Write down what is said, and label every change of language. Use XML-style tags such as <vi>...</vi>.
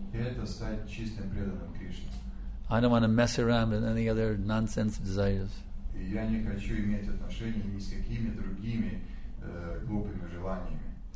<ru>И это стать чистым преданным Кришне.</ru> <en>I don't want to mess around with any other nonsense desires.</en> <ru>И я не хочу иметь отношения ни с какими другими глупыми желаниями.</ru>